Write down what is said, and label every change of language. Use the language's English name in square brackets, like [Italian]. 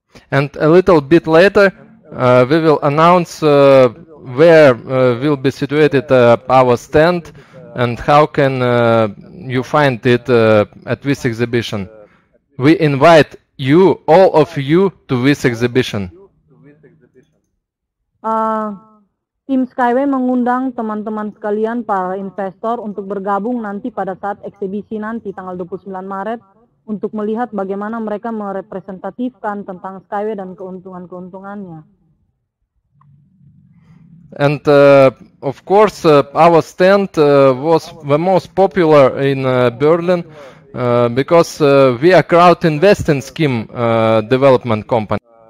[English] And a little bit later, we will announce where will be situated our stand and how can you find it at this exhibition. We invite you, all of you, to this exhibition. [Indonesian] Tim Skyway mengundang teman-teman sekalian para investor untuk bergabung nanti pada saat eksibisi nanti tanggal 29 Maret untuk melihat bagaimana mereka merepresentasikan tentang Skyway dan keuntungan-keuntungannya. [English] And of course our stand was the most popular in Berlin because we are crowd investing scheme development company.